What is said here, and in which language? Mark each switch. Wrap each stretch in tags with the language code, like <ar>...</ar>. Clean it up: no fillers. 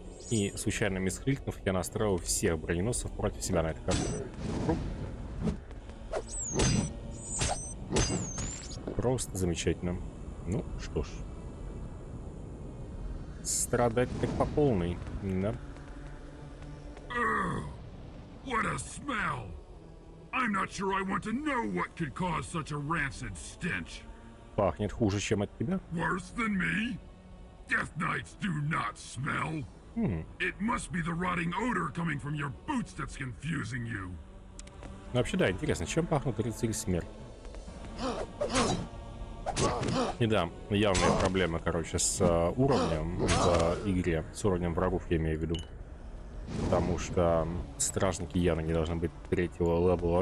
<ru>И случайно мискликнув, я настроил всех броненосцев против себя на эту карту. Просто замечательно. Ну что ж. Страдать как по полной, да?</ru> <en>What a smell! I'm not sure I want to know what could cause such a rancid stench.</en> <ru>Пахнет хуже, чем от тебя?</ru> <en>Worse than me? Death knights do not smell. It must be the rotting odor coming from your boots that's confusing you.</en> <ru>Ну вообще да, интересно, чем пахнут рыцари смерти? И да, явная проблема, короче, с уровнем в игре, с уровнем врагов, я имею в виду. Потому что стражники явно не должны быть третьего левела.</ru>